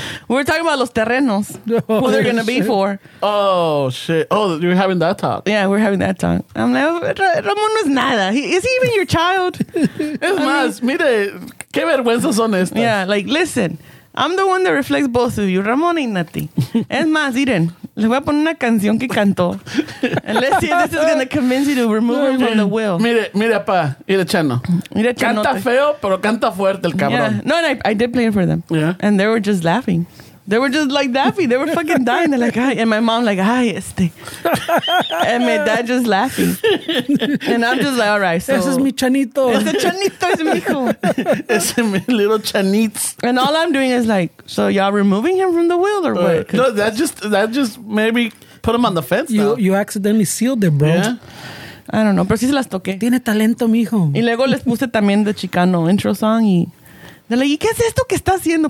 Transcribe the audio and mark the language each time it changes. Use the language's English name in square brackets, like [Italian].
[English] We were talking about [Spanish] los terrenos. [English] Oh, who they're going to be for. Oh, shit. Oh, you're having that talk. Yeah, we're having that talk. I'm like, [Spanish] Ramon no es nada. [English] Is he even your child? [Spanish] Es más, mire, qué vergüenzas son estas. [English] Yeah, like, listen. I'm the one that reflects both of you, Ramon y Nati. [Spanish] Es más, miren, les voy a poner una canción que cantó. [English] And let's see if this is going to convince you to remove him from the will. [Spanish] Mire, mire, apa, mire, chano. Mire, chanote. Canta feo, pero canta fuerte el cabrón. Yeah. [English] No, and I did play it for them. Yeah. And they were just laughing. They were just like laughing. They were fucking dying. They're like, ay. And my mom like, ay, este. And my dad just laughing. And I'm just like, all right. So, [Spanish] ese es mi chanito. Ese chanito es mi hijo. Ese mi little chanitz. [English] And all I'm doing is like, so y'all removing him from the will or what? No, that just maybe put him on the fence. You accidentally sealed it, bro. Yeah. I don't know. [Spanish] Pero sí se las toqué. Tiene talento, mijo. Y luego les puse también de Chicano intro song y... [English] They're like, [Spanish] ¿y qué es esto que está haciendo?